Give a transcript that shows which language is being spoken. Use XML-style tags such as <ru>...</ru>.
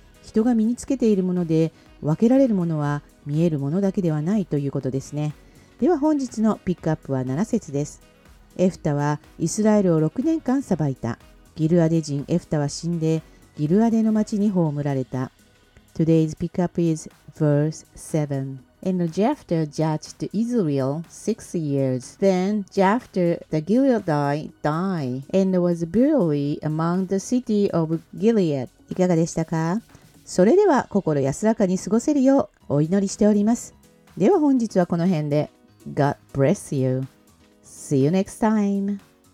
<ja>人が身につけているもので分けられるものは見えるものだけではないということですね。では本日のピックアップは7節です。エフタはイスラエルを6年間裁いた。ギルアデ人エフタは死んで、ギルアデの町に葬られた。</ja> <en>Today's pickup is verse 7. And Jephthah judged Israel 6 years. Then Jephthah the Gileadite died and was buried among the city of Gilead.</en> <ja>いかがでしたか？それでは心安らかに過ごせるようお祈りしております。では本日はこの辺で。</ja> <en>God bless you. See you next time.</en>